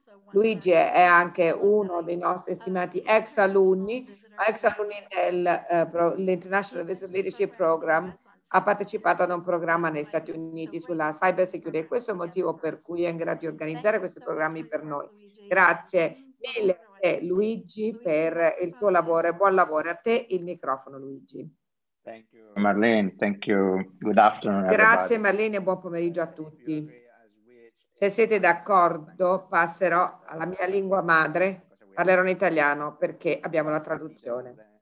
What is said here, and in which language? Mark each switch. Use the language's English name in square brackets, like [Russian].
[Italian] Luigi è anche uno dei nostri stimati ex alunni dell'International Visitor Leadership Program, ha partecipato ad un programma negli Stati Uniti sulla cyber security e questo è il motivo per cui è in grado di organizzare questi programmi per noi. Grazie mille Luigi per il tuo lavoro e buon lavoro. A te il microfono, Luigi. [English] Thank you Marlene, thank you, good afternoon everybody. [Italian] Grazie Marlene e buon pomeriggio a tutti. Se siete d'accordo, passerò alla mia lingua madre, parlerò in italiano perché abbiamo la traduzione.